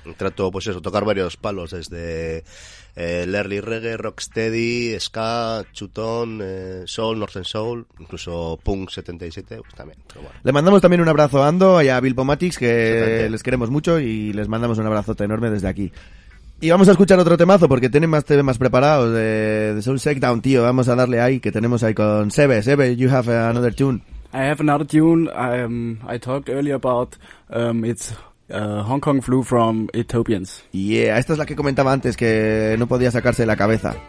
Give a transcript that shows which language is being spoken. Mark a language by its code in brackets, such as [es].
[es] Trato, pues eso, tocar varios palos, desde el early reggae, rocksteady, ska, chutón, soul, northern soul, incluso punk 77, pues también. Pero bueno. Le mandamos también un abrazo a Ando y a Bill Pomatix, que les queremos mucho y les mandamos un abrazote enorme desde aquí. Y vamos a escuchar otro temazo, porque tienen más temas preparados de Soul Shakedown, tío. Vamos a darle ahí, que tenemos ahí con Sebe. [en] Sebe, you have another tune. I have another tune. I talked earlier about it's Hong Kong Flu from Ethiopians. [es] Yeah, esta es la que comentaba antes, que no podía sacarse de la cabeza.